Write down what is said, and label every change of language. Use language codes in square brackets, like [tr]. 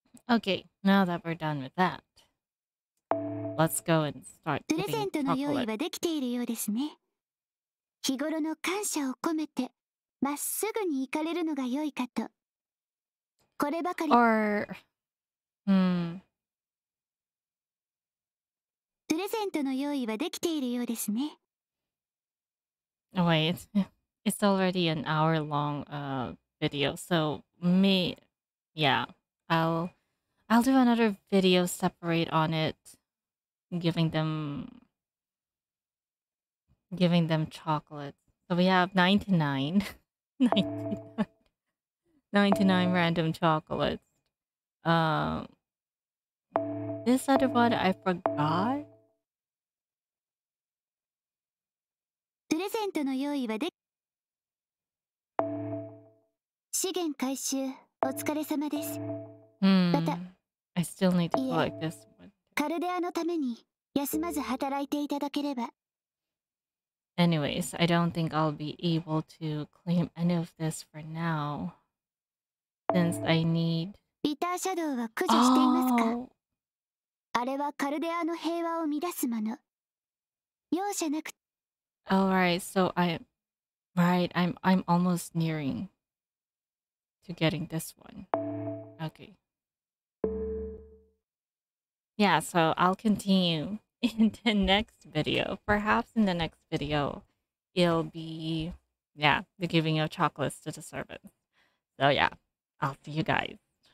[en] Okay, now that we're done with that, let's go and start getting chocolate. [ja] 日頃の感謝を込めてまっすぐに行かれるのが良いかと。こればかり。 [en] Or... Hmm. [ja] プレゼントの用意はできているようですね。 [en] Wait, it's already an hour long, video. So me, yeah, I'll do another video separate on it, giving them chocolate. So we have 99 random chocolates. This other one I forgot. [ja] プレゼントの用意はで資源回収お疲れ様です。 [en] また。I still need to collect this one. [ja] カルデアのために休まず働いていただければ。 [en] Anyways, I don't think I'll be able to claim any of this for now, since I need. [ja] ビターシャドウは駆除していますか。あれはカルデアの平和を乱すもの。容赦なく。 [en] Alright, so I'm almost nearing to getting this one. Okay. Yeah, so I'll continue in the next video. Perhaps in the next video, it'll be, yeah, the giving of chocolates to the servants. So yeah, I'll see you guys.